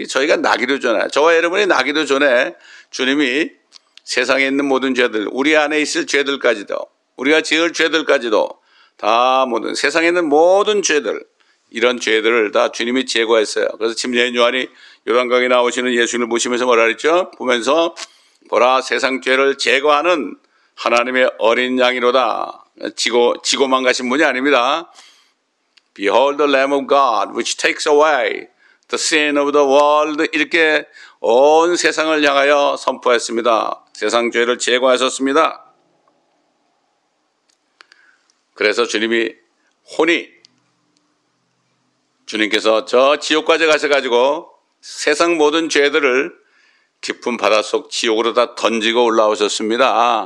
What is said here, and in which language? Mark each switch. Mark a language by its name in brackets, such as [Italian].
[Korean] 저희가 나기도 전에, 저와 여러분이 나기도 전에 주님이 세상에 있는 모든 죄들, 우리 안에 있을 죄들까지도, 우리가 지을 죄들까지도 다 모든 세상에 있는 모든 죄들, 이런 죄들을 다 주님이 제거했어요. 그래서 침례인 요한이 요단강에 나오시는 예수님을 보시면서 뭐라 그랬죠? 보면서 보라 세상 죄를 제거하는 하나님의 어린 양이로다. 지고만 가신 분이 아닙니다. [English] Behold the Lamb of God which takes away the sin of the world. [Korean] 이렇게 온 세상을 향하여 선포했습니다. 세상 죄를 제거하셨습니다. 그래서 주님이 혼이 주님께서 저 지옥까지 가셔가지고 세상 모든 죄들을 깊은 바닷속 지옥으로 다 던지고 올라오셨습니다.